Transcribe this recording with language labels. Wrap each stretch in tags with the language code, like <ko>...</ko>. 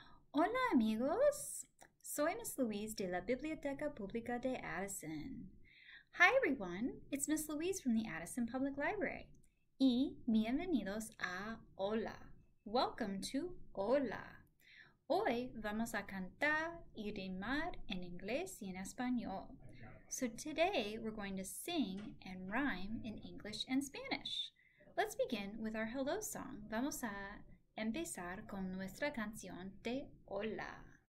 <es>Hola amigos, soy Miss Louise de la Biblioteca Pública de Addison.</es> <en>Hi everyone, it's Miss Louise from the Addison Public Library.</en> <es>Y bienvenidos a Hola.</es> <en>Welcome to Hola.</en> <es>Hoy vamos a cantar y rimar en inglés y en español.</es> <en>So today we're going to sing and rhyme in English and Spanish. Let's begin with our hello song.</en> <es>Vamos a empezar con nuestra canción de hola.</es>